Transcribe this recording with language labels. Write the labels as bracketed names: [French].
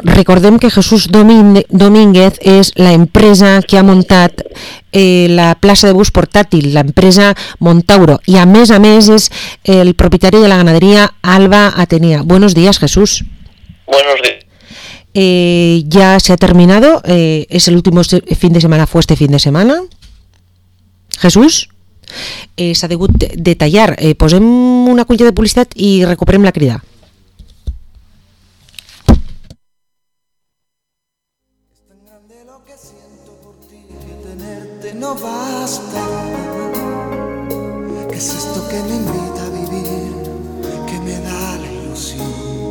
[Catalan] Recordem que Jesús Domínguez és la empresa que ha muntat la plaça de bus portàtil, la empresa Montauro, i a més és el propietari de la ganaderia Alba Atenea. [Spanish] Buenos días, Jesús. Buenos días. Ya se ha terminado, es el último fin de semana, fue este fin de semana. [Catalan] Jesús, s'ha degut detallar, posem una cuña de publicitat i recuperem la crida. [Spanish] Es tan grande lo que siento por ti, que tenerte no basta. ¿Qué es esto que me invita a vivir, que me da la ilusión?